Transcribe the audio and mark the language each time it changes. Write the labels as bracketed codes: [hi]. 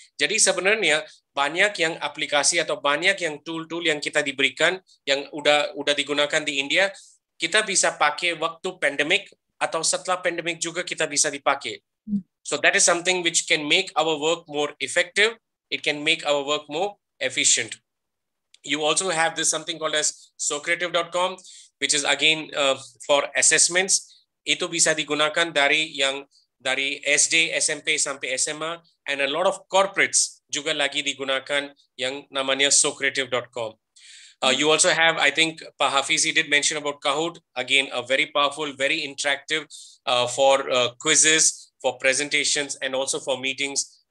[id] Jadi sebenarnya banyak yang aplikasi atau banyak yang tool-tool yang kita diberikan yang udah digunakan di India, kita bisa pakai waktu pandemic atau setelah pandemic juga kita bisa dipakai. [en] So that is something which can make our work more effective, it can make our work more efficient. You also have this something called as socreative.com, which is again for assessments. [id] Itu bisa digunakan dari SD, SMP sampai SMA, [en] and a lot of corporates [id] juga lagi digunakan yang namanya socreative.com. [en] You also have, I think Pak Hafiz, he did mention about Kahoot, again a very powerful, very interactive for quizzes, for presentations, and also for meetings.